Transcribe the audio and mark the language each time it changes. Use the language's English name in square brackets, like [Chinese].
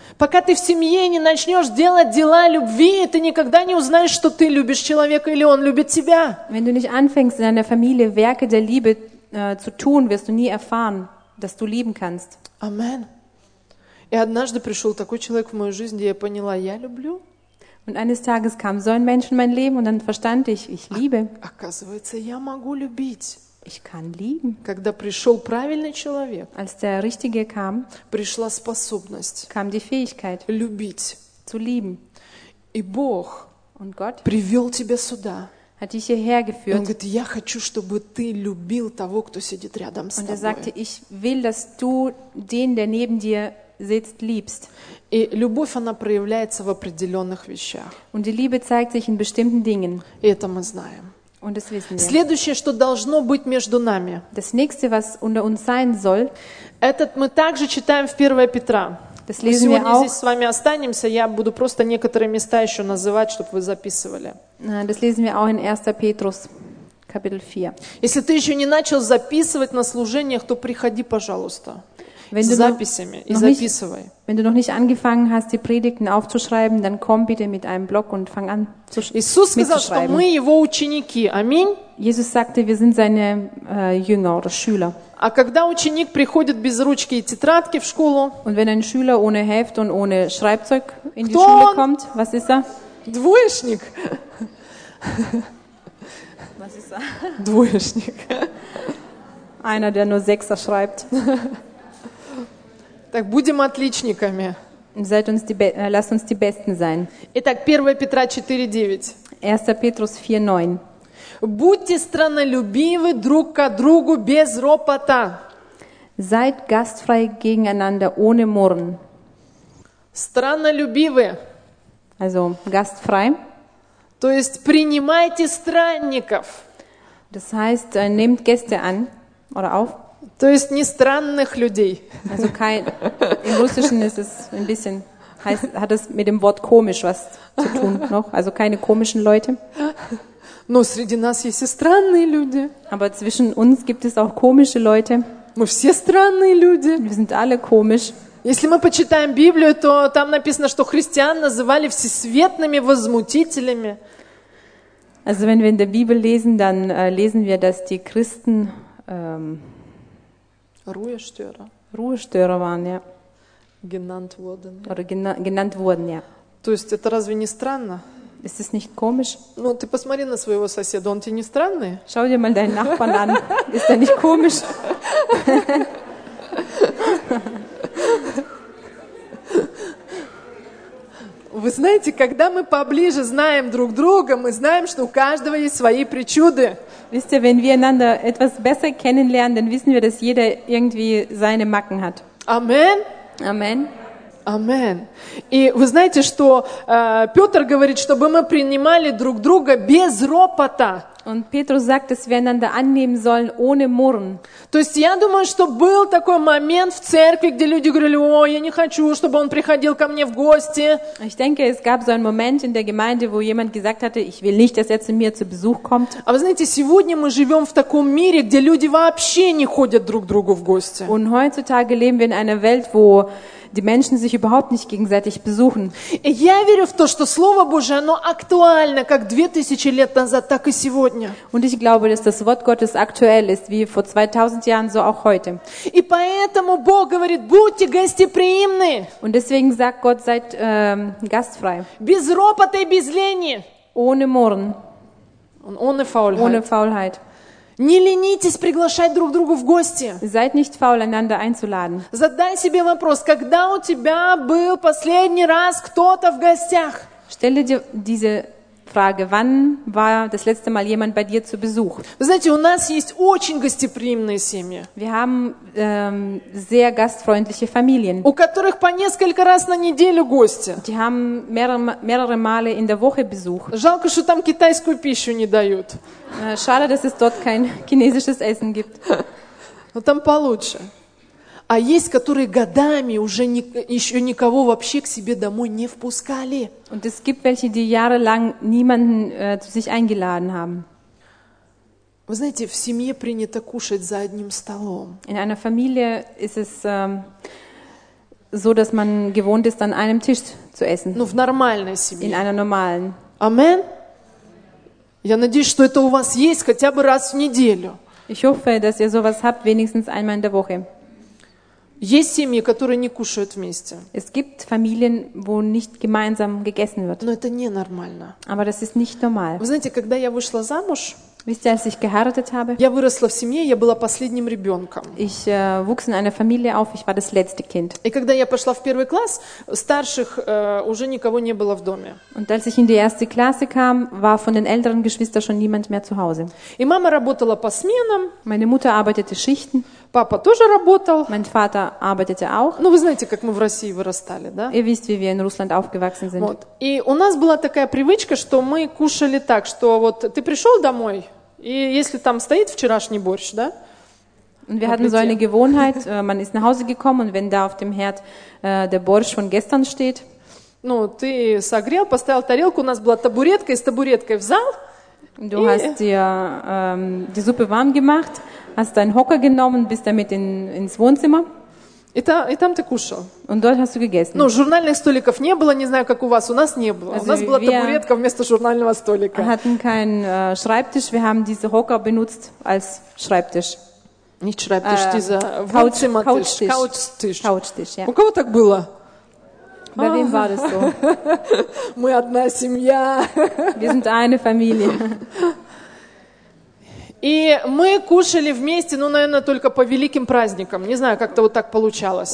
[Russian] Пока ты в семье не начнешь делать дела любви, ты никогда не узнаешь, что ты любишь человека или он любит тебя. [German] Wenn du nicht anfängst in deiner Familie Werke der Liebe zu tun, wirst du nie erfahren, dass du lieben kannst. Amen. [Russian] И однажды пришел такой человек в мою жизнь, где я поняла, я люблю. [German] Und eines Tages kam so ein Mensch in mein Leben und dann verstand ich, ich liebe. [Russian] Оказывается, я могу любить. [German] Ich kann lieben. [Russian] Когда пришел правильный человек, [German] als der richtige kam, [Russian] пришла способность, [German] kam die Fähigkeit, [Russian] любить, [German] zu lieben. [Russian] И Бог, [German] und Gott, [Russian] привел тебя сюда. [German] Hat dich hierher geführt. [Russian] Он говорит, я хочу, чтобы ты любил того, кто сидит рядом с [German] und [Russian] тобой. [German] Und sagte, ich will, dass du den, der neben dir sitzt, liebst. [Russian] И любовь, она проявляется в определенных вещах. [German] Und die Liebe zeigt sich in bestimmten Dingen. [Russian] И это мы знаем. [German] Und das wissen wir. [Russian] Следующее, что должно быть между нами. [German] Das nächste, was unter uns sein soll. [Russian] Этот мы также читаем в 1 Петра. [German] Das lesen [Russian] мы сегодня здесь с вами останемся. Я буду просто некоторые места еще называть, чтобы вы записывали. [German] Das lesen wir auch in 1. Petrus. Kapitel 4. [Russian] Если ты еще не начал записывать на служениях, то приходи, пожалуйста. [German] Wenn [Russian] с записями и записывай. [German] Wenn du noch nicht angefangen hast, die Predigten aufzuschreiben, dann komm bitte mit einem Block und fang an zu [Russian] Иисус сказал, что мы его ученики. Аминь. [German] Jesus sagte, wir sind seine Jünger oder Schüler. [Russian] А когда ученик приходит без ручки и тетрадки в школу? [German] Und wenn ein Schüler ohne Heft und ohne Schreibzeug in die Schule kommt, was ist er? [Russian] Двоечник. [German] Was ist er? [Russian] Двоечник. [German] Einer, der nur Sechser schreibt. [Russian] Так будем отличниками. [German] Lasst uns die Besten sein. [Russian] Итак, 1 Петра 4:9. [German] 1. Петрус 4:9. [Russian] Будьте странолюбивы друг к другу без ропота. [German] Seid gastfrei gegeneinander ohne Murren. [Russian] Странолюбивы. [German] Also gastfrei. [Russian] То есть принимайте странников. [German] Das heißt, nehmt Gäste an oder auf. [Russian] То есть не странных людей. [German] Also kein. Im Russischen ist es ein bisschen. Hat es mit dem Wort komisch was zu tun noch? Also keine komischen Leute. [Russian] Но среди нас есть и странные люди. [German] Aber zwischen uns gibt es auch komische Leute. [Russian] Мы все странные люди. [German] Wir sind alle komisch. [Russian] Если мы почитаем Библию, то там написано, что христиан называли всесветными возмутителями. [German] Also wenn wir in der Bibel lesen, dann lesen wir, dass die Christen Ruhestörer waren, ja. Genannt wurden, ja. [Russian] То есть это разве не странно? [German] Ist es nicht komisch? [Russian] Ну, ты посмотри на своего соседа, он тебе не странный? [German] Schau dir mal deinen Nachbarn an. Ist er nicht komisch? [Russian] Вы знаете, когда мы поближе знаем друг друга, мы знаем, что у каждого есть свои причуды. [German] Wisst ihr, wenn wir einander etwas besser kennenlernen, dann wissen wir, dass jeder irgendwie seine Macken hat. Amen. Amen. Amen. [Russian] И вы знаете, что Петр говорит, чтобы мы принимали друг друга без ропота. [German] Und Petrus sagt, dass wir einander annehmen sollen ohne Murren. [Russian] То есть я думаю, что был такой момент в церкви, где люди говорили: «О, я не хочу, чтобы он приходил ко мне в гости». [German] Ich denke, es gab so einen Moment in der Gemeinde, wo jemand gesagt hatte: «Ich will nicht, dass er zu mir zu Besuch kommt». Aber [Russian] знаете, сегодня мы живем в таком мире, где люди вообще не ходят друг другу в гости. [German] Und heutzutage leben wir in einer Welt, wo die Menschen sich überhaupt nicht gegenseitig besuchen. [Russian] Я верю в то, что Слово Божие, оно актуально, как 2000 лет назад, так и сегодня. [German] Und ich glaube, dass das Wort Gottes aktuell ist, wie vor 2000 Jahren, so auch heute. [Russian] И поэтому Бог говорит: будьте гостеприимны. [German] Und deswegen sagt Gott: seid gastfrei. [Russian] Без ропота и без лени. [German] Ohne Murren. Und ohne Faulheit. Ohne Faulheit. [Russian] Не ленитесь приглашать друг друга в гости. [German] Seid nicht faul, einander einzuladen. [Russian] Задай себе вопрос: когда у тебя был последний раз кто-то в гостях? [German] Stelle dir diese Frage: wann war das letzte Mal jemand bei dir zu Besuch? [Russian] Знаете, у нас есть очень гостеприимные семьи. [German] Wir haben sehr gastfreundliche Familien. [Russian] У которых по несколько раз на неделю гости. [German] Die haben mehrere Male in der Woche Besuch. [Russian] Жалко, что там китайскую пищу не дают. [German] Schade, dass es dort kein chinesisches Essen gibt. [Russian] Но там получше. А есть, которые годами уже еще никого вообще к себе домой не впускали. [German] Und es gibt welche, die jahrelang niemanden zu sich eingeladen haben. [Russian] Вы знаете, в семье принято кушать за одним столом. [German] In einer Familie ist es so, dass man gewohnt ist, an einem Tisch zu essen. [Russian] Ну, в нормальной семье. [German] In einer normalen. Amen. [Russian] Я надеюсь, что это у вас есть хотя бы раз в неделю. [German] Ich hoffe, dass ihr sowas habt, wenigstens einmal in der Woche. [Russian] Есть семьи, которые не кушают вместе. [German] Es gibt Familien, wo nicht gemeinsam gegessen wird. [Russian] Но это не нормально. [German] Aber das ist nicht normal. [Russian] Вы знаете, когда я вышла замуж, [German] wisst ihr, als ich geheiratet habe, [Russian] я выросла в семье, я была последним ребенком. [German] Ich wuchs in einer Familie auf, ich war das letzte Kind. [Russian] И когда я пошла в первый класс, старших уже никого не было в доме. [German] Und als ich in die erste Klasse kam, war von den älteren Geschwistern schon niemand mehr zu Hause. [Russian] И мама работала по сменам. [German] Meine Mutter arbeitete Schichten. [Russian] Папа тоже работал. [German] Mein Vater arbeitete auch. [Russian] Ну, вы знаете, как мы в России вырастали, да? [German] Ihr wisst, wie wir in Russland aufgewachsen sind. [Russian] Вот. И у нас была такая привычка, что мы кушали так, что вот ты пришел домой, и если там стоит вчерашний борщ, да? [German] Und wir hatten so eine Gewohnheit, man ist nach Hause gekommen, und wenn da auf dem Herd der Borsch von gestern steht, [Russian] ну, ты согрел, поставил тарелку, у нас была табуретка, и с табуреткой в зал. [German] Du hast dir die Suppe warm gemacht, hast deinen Hocker genommen, bist damit ins Wohnzimmer. [Russian] И там ты кушал. [German] Und dort hast du gegessen. [Russian] Ну, журнальных столиков не было, не знаю, как у вас, у нас не было. [German] Also [Russian] у нас была табуретка вместо журнального столика. [German] Wir hatten keinen Schreibtisch, wir haben diese Hocker benutzt als Schreibtisch. Nicht Schreibtisch, dieser Wohnzimmertisch. Couchtisch. Ja. [Russian] У кого так было? [German] Bei wem war das so? [Russian] Мы одна семья. [German] Wir sind eine Familie. [Russian] И мы кушали вместе, ну, наверное, только по великим праздникам. Не знаю, как-то вот так получалось.